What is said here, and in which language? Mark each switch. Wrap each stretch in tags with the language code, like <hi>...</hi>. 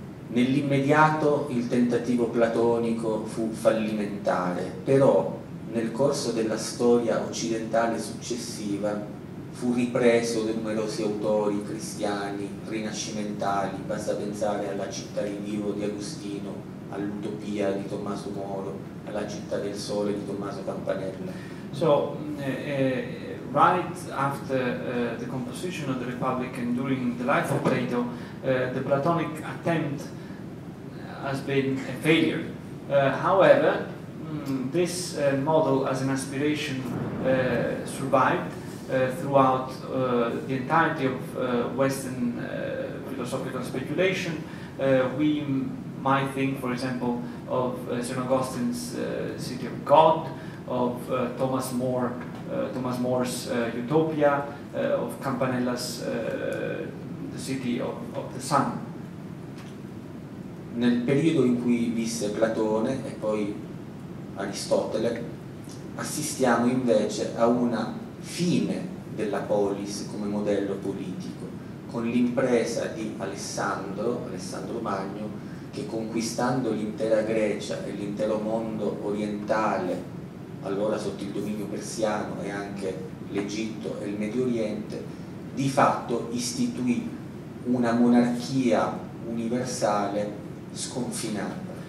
<it>Nell'immediato il tentativo platonico fu fallimentare, però nel corso della storia occidentale successiva fu ripreso da numerosi autori cristiani, rinascimentali, basta pensare alla Città di Dio di Agostino, all'Utopia di Tommaso Moro, alla Città del Sole di Tommaso Campanella.</it> <en>So, right after the composition of the Republic and during the life of Plato, the Platonic attempt has been a failure. However, this model as an aspiration survived throughout the entirety of Western philosophical speculation. We might think, for example, of St. Augustine's City of God, of Thomas More's Utopia, of Campanella's The City of the Sun.</en> <it>Nel periodo in cui visse Platone e poi Aristotele, assistiamo invece a una fine della polis come modello politico, con l'impresa di Alessandro Magno, che conquistando l'intera Grecia e l'intero mondo orientale, allora sotto il dominio persiano, e anche l'Egitto e il Medio Oriente, di fatto istituì una monarchia universale sconfinata.</it>